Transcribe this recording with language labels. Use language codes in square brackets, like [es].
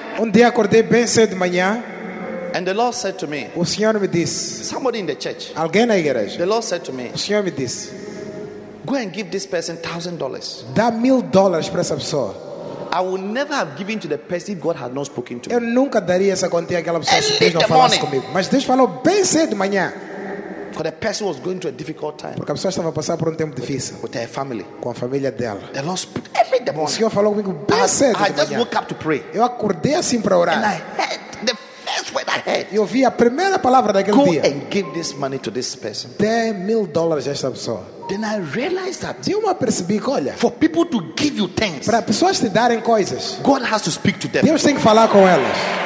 [pt] Um dia acordei bem cedo de manhã. [en] And the Lord said to me. [pt] O Senhor me disse. [en] Somebody in the church. [pt] Alguém na igreja. [en] The Lord said to me. [pt] O Senhor me disse. [en] Go and give this person $1,000. [pt] Dá $1,000 para essa pessoa. [en] I would never have given to the person if God had not spoken to me. [pt] Eu nunca daria essa quantia àquela pessoa se Deus não falasse comigo. Mas Deus falou bem cedo de manhã. [en] Because the person was going through a difficult time. [pt] Porque a pessoa estava a passar por tempo difícil. [en] With her family. [pt] Com a família dela. [en] The Lord spoke every day. [pt] O Senhor falou comigo bem cedo de manhã. [en] I just woke up to pray. [pt] Eu acordei assim para orar. [en] And I heard the first word I heard. [pt] Eu ouvi a primeira palavra daquele [en] Go [pt] dia. [en] Go and give this money to this person. [pt] Dê $1,000 a essa pessoa. [en] Then I realized that. [pt] Eu me apercebi que, olha, [en] for people to give you things. [pt] Para pessoas te darem coisas. [en] God has to speak to them. [pt] Deus tem que falar com elas.